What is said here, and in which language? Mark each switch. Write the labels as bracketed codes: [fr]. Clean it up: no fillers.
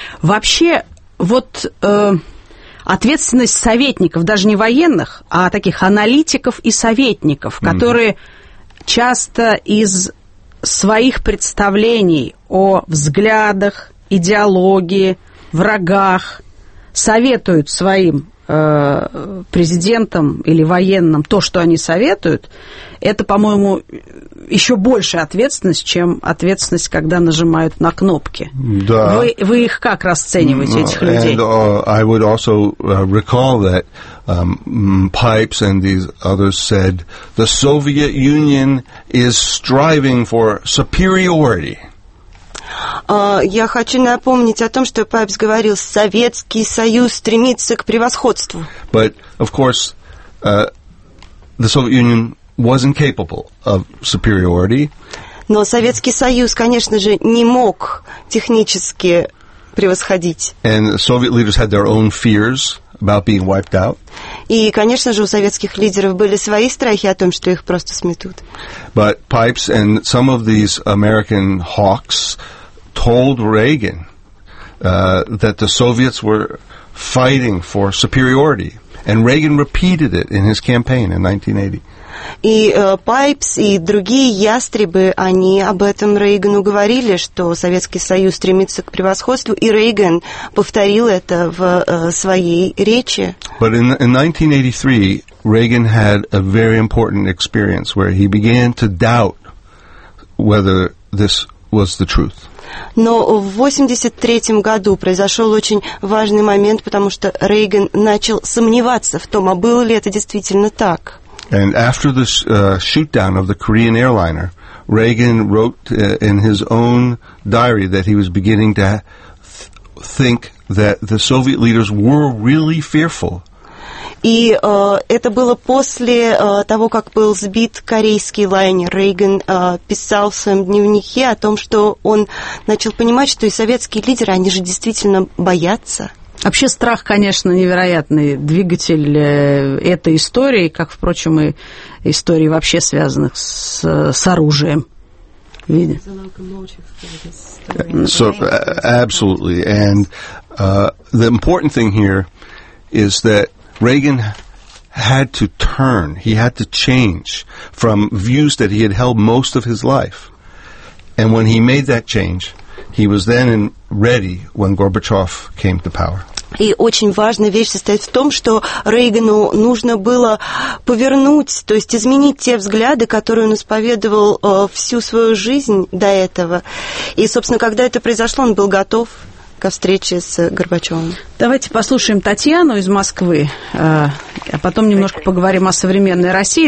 [en] Вообще, вот ответственность советников, даже не военных, а таких аналитиков и советников, которые часто из своих представлений о взглядах, идеологии, врагах советуют своим президентам или военным то, что они советуют, это, по-моему, еще большая ответственность, чем ответственность, когда нажимают на кнопки. Да. Вы их как расцениваете, этих людей? And, I would also recall that Pipes and these others said the Soviet Union is striving for superiority. [ru] Я хочу напомнить о том, что Пайпс говорил, Советский Союз стремится к превосходству. [en] But, of course, the Soviet Union was incapable of superiority. [ru] Но Советский Союз, конечно же, не мог технически превосходить. [en] And the Soviet leaders had their own fears about being wiped out. [ru] И, конечно же, у советских лидеров были свои страхи о том, что их просто сметут. [en] But Pipes and some of these American hawks told Reagan that the Soviets were fighting for superiority. And Reagan repeated it in his campaign in 1980. [ru] И Пайпс, и другие ястребы, они об этом Рейгану говорили, что Советский Союз стремится к превосходству, и Рейган повторил это в своей речи. [en] But in 1983, Reagan had a very important experience where he began to doubt whether this was the truth. [ru] Но в 83-м году произошел очень важный момент, потому что Рейган начал сомневаться в том, а было ли это действительно так. [en] And after the shoot-down of the Korean airliner, Reagan wrote in his own diary that he was beginning to think that the Soviet leaders were really fearful. [ru] И это было после того, как был сбит корейский лайнер. Рейган писал в своем дневнике о том, что он начал понимать, что и советские лидеры, они же действительно боятся. Вообще страх, конечно, невероятный двигатель этой истории, как, впрочем, и истории вообще связанных с оружием. [en] So, absolutely. And the important thing here is that Reagan had to turn, he had to change from views that he had held most of his life. And when he made that change, he was then ready when Gorbachev came to power. [ru] И очень важная вещь состоит в том, что Рейгану нужно было повернуть, то есть изменить те взгляды, которые он исповедовал всю свою жизнь до этого. И, собственно, когда это произошло, он был готов ко встрече с Горбачевым. Давайте послушаем Татьяну из Москвы, а потом немножко поговорим о современной России.